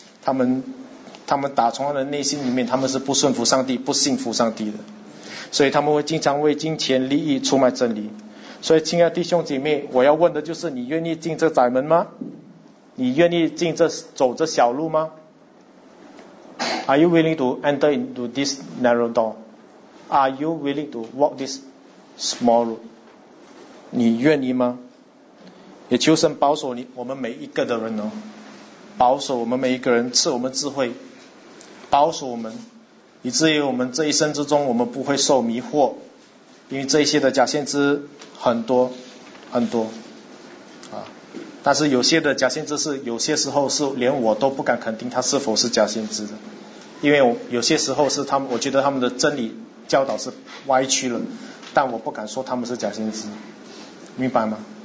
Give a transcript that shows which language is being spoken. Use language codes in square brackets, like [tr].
[zh] 他们打从他的内心里面，他们是不顺服上帝，不信服上帝的，所以他们会经常为金钱利益出卖真理。所以亲爱的弟兄姐妹，我要问的就是，你愿意进这窄门吗？你愿意进这走这小路吗？ [en] Are you willing to enter into this narrow door? Are you willing to walk this small road? [zh] 你愿意吗？也求神保守你我们每一个的人哦，保守我们每一个人，赐我们智慧，保守我们，以至于我们这一生之中我们不会受迷惑。因为这些的假先知很多很多啊，但是有些的假先知是有些时候是连我都不敢肯定他是否是假先知的，因为有些时候是他们，我觉得他们的真理教导是歪曲了，但我不敢说他们是假先知，明白吗？